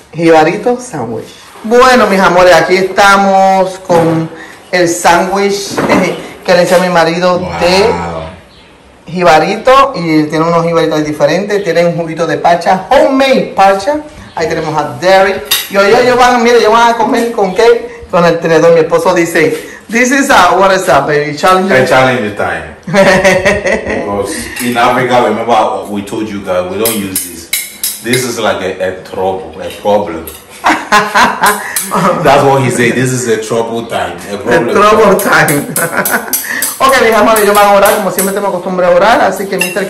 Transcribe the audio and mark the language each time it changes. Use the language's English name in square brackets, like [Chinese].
[Spanish] Jibarito sandwich. Bueno, mis amores, aquí estamos con el sándwich que le hice a mi marido de jibarito. Y tiene unos jibaritos diferentes. Tiene un juguito de pacha, homemade pacha. Ahí tenemos a Derek. Y hoy ellos van, miren, ellos van a comer con qué. Con el tenedor, mi esposo dice, [English] this is a, what is up, baby, challenge. A challenge time. Because in Africa, remember, we told you that we don't use this. This is like a trouble, a problem. That's what he said, this is a trouble time. A trouble time. [Spanish] Ok, mi amor, yo voy a orar, como siempre tengo costumbre a orar, así que Mr.